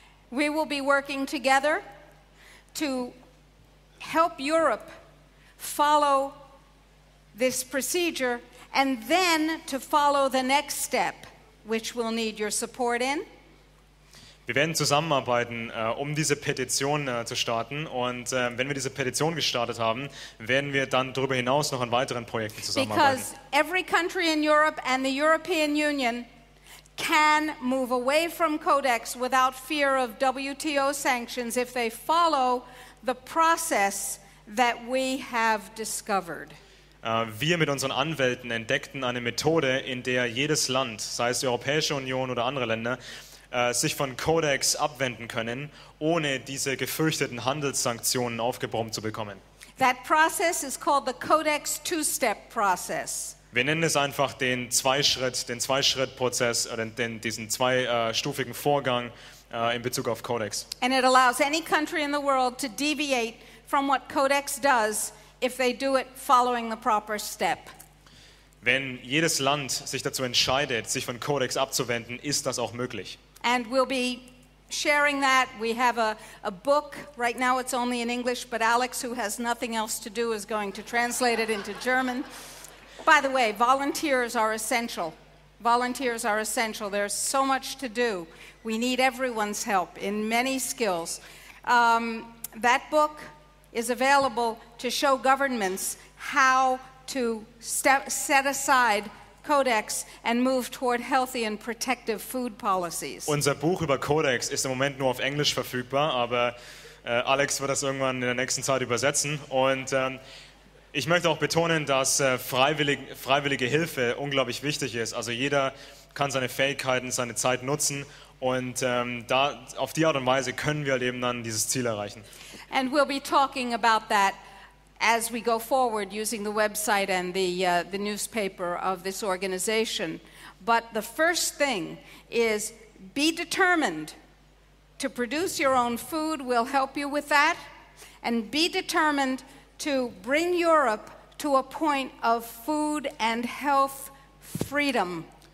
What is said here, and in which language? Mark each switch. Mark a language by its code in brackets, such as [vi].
[en] We will be working together to help Europe follow this procedure and then to follow the next step, which we'll need your support in. [de] Wir werden zusammenarbeiten, um diese Petition zu starten. Und wenn wir diese Petition gestartet haben, werden wir dann darüber hinaus noch an weiteren Projekten zusammenarbeiten. [en] Because every country in Europe and the European Union can move away from Codex without fear of WTO sanctions if they follow the process that we have discovered. [de] Wir mit unseren Anwälten entdeckten eine Methode, in der jedes Land, sei es die Europäische Union oder andere Länder, sich von Codex abwenden können, ohne diese gefürchteten Handelssanktionen aufgebrummt zu bekommen. [en] That process is called the Codex two-step process. [de] Wir nennen es einfach den Zweischritt-Prozess, diesen zweistufigen Vorgang in Bezug auf Codex. [en] And it allows any country in the world to deviate from what Codex does if they do it following the proper step. [de] Wenn jedes Land sich dazu entscheidet, sich von Codex abzuwenden, ist das auch möglich. [en] And we'll be sharing that. We have a book. Right now it's only in English, but Alex, who has nothing else to do, is going to translate it into German. By the way, volunteers are essential. Volunteers are essential. There's so much to do. We need everyone's help in many skills. That book is available to show governments how to set aside Codex and move toward healthy and protective food policies. [de] Unser Buch über Codex ist im Moment nur auf Englisch verfügbar, aber Alex wird das irgendwann in der nächsten Zeit übersetzen. Und ich möchte auch betonen, dass freiwillige Hilfe unglaublich wichtig ist. Also jeder kann seine Fähigkeiten, seine Zeit nutzen, und auf die Art und Weise können wir halt eben dann dieses Ziel erreichen. [en] And we'll be talking about that as we go forward using the website and the newspaper of this organization. But the first thing is be determined to produce your own food. We'll help you with that. And be determined to bring Europe to a point of food and health freedom.